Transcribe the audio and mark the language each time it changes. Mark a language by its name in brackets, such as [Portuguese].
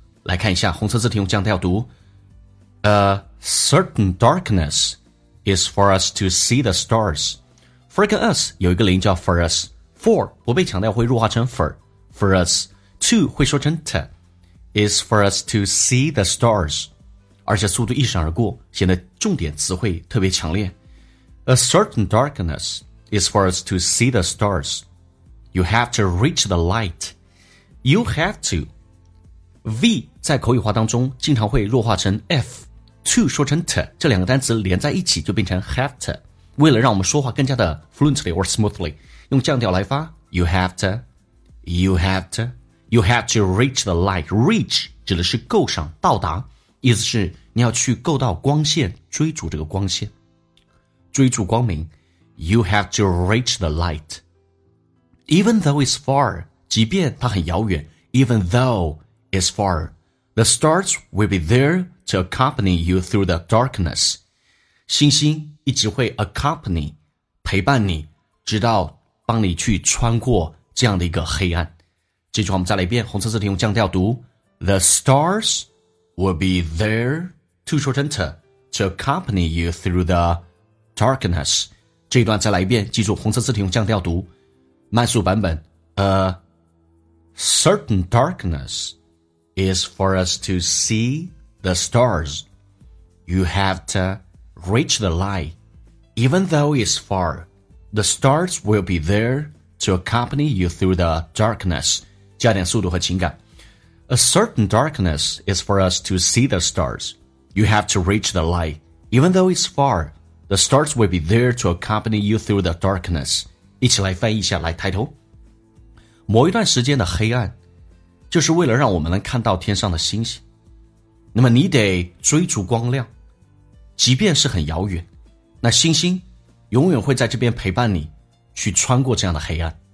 [Chinese] 来看一下红色字体用降调读， [English] A certain darkness is for us to see the stars. [Chinese] For 跟 us 有一个连叫 for us, for 不被强调会弱化成 for us, to 会说成 t, [English] is for us to see the stars. [Chinese] 而且速度一闪而过，显得重点词汇特别强烈。 [English] A certain darkness is for us to see the stars. You have to reach the light. You have to. [Chinese] V 在口语化当中经常会弱化成 F, to 说成 t, 这两个单词连在一起就变成 [English] have to. [Chinese] 为了让我们说话更加的 [English] fluently or smoothly, [Chinese] 用降调来发 [English] you have to, you have to, you have to reach the light. [Chinese] Reach 指的是够上到达。意思是你要去够到光线，追逐这个光线，追逐光明。 [English] You have to reach the light. Even though it's far, [Chinese] 即便它很遥远， [English] Even though it's far, the stars will be there to accompany you through the darkness. [Chinese] 星星一直会 accompany, 陪伴你，直到帮你去穿过这样的一个黑暗。这句话我们再来一遍，红色字体用降调读， [English] The starswill be there to shorten to accompany you through the darkness. [Chinese] 这一段再来一遍，记住红色字体用降调读，慢速版本。 [English] A certain darkness is for us to see the stars. You have to reach the light. Even though it's far, the stars will be there to accompany you through the darkness. [Chinese] 加点速度和情感。 [English] A certain darkness is for us to see the stars. You have to reach the light. Even though it's far, the stars will be there to accompany you through the darkness. [Chinese] 一起来翻译一下，来抬头。某一段时间的黑暗，就是为了让我们能看到天上的星星。那么你得追逐光亮，即便是很遥远，那星星永远会在这边陪伴你，去穿过这样的黑暗。